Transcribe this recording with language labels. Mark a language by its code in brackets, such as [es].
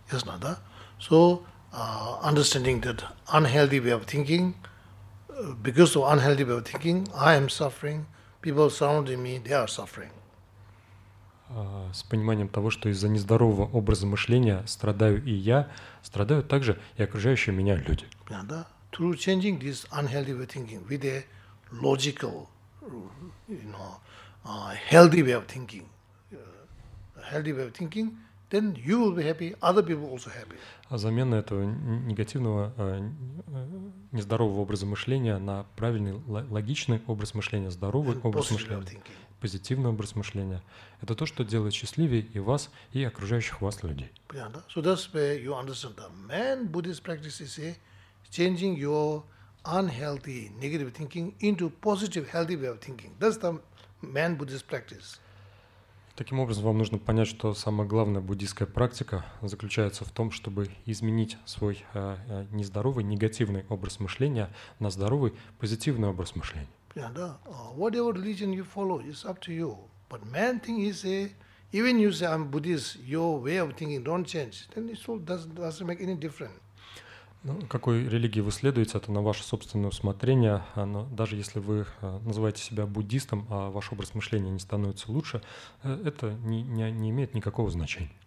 [ru] Ясно, да? [en] So understanding that unhealthy way of thinking. Because of unhealthy way of thinking, I am suffering. People surrounding me, they are suffering. [ru] С пониманием того, что из-за нездорового образа мышления страдаю и я, страдают также и окружающие меня люди. Yeah, да. [en] Through changing this unhealthy way of thinking with a logical, you know, healthy way of thinking, then you will be happy, other people also happy. [ru] А замена этого негативного, нездорового образа мышления на правильный, логичный образ мышления, здоровый образ мышления, позитивный образ мышления. Это то, что делает счастливее и вас, и окружающих вас людей. Понятно, да? [en] So that's where you understand that main Buddhist practice is changing your unhealthy negative thinking into positive healthy way of thinking. That's the main Buddhist practice. [ru] Таким образом, вам нужно понять, что самая главная буддийская практика заключается в том, чтобы изменить свой нездоровый, негативный образ мышления на здоровый, позитивный образ мышления. Yeah, да. [en] Whatever religion you follow, it's up to you. But main thing is, even you say I'm Buddhist, your way of thinking don't change, then it doesn't make any difference. [ru] Ну, какой религии вы следуете, это на ваше собственное усмотрение. Но даже если вы называете себя буддистом, а ваш образ мышления не становится лучше, это не имеет никакого значения.